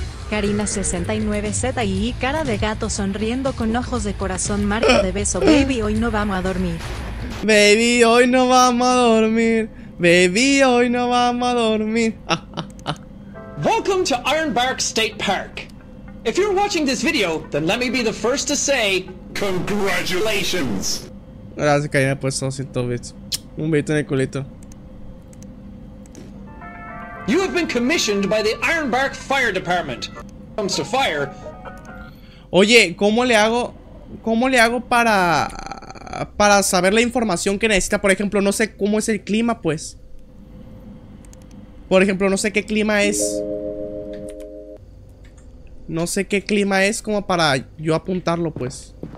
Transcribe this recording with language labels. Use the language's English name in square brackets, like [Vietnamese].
[Spanish] Karina 69Z y cara de gato sonriendo con ojos de corazón. Mario de beso, baby, hoy no vamos a dormir. Baby, hoy no vamos a dormir. Baby, hoy no vamos a dormir. [English] Welcome to Ironbark State Park. If you're watching this video, then let me be the first to say congratulations. [Spanish] Gracias, Karina, pues 200 bits. Un bit en el culito. [English] You have been commissioned by the Ironbark Fire Department. Comes to fire. [Spanish] Oye, ¿cómo le hago para saber la información que necesita? Por ejemplo, no sé cómo es el clima, pues. Por ejemplo, no sé qué clima es. No sé qué clima es como para yo apuntarlo, pues.